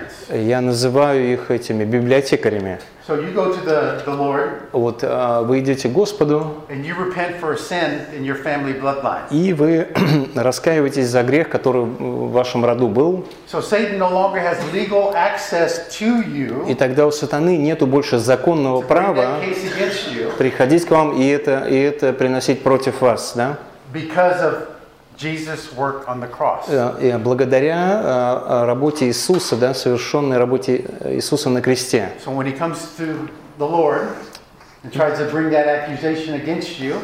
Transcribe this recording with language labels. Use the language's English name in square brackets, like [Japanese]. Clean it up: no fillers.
[Russian] Я называю их этими библиотекарями. [English] So you go to the Lord, [Russian] вот вы идете к Господу, [English] and you repent for a sin in your family bloodline. [Russian] И вы раскаиваетесь за грех, который в вашем роду был. [English] So Satan no longer has legal access to you. [Russian] И тогда у сатаны нету больше законного права приходить к вам и это приносить против вас, да? [English] Because of Jesus' work on the cross. [Russian] Благодаря работе Иисуса, да, совершенной работе Иисуса на кресте. [English] So when he comes to the Lord and tries to bring that accusation against you.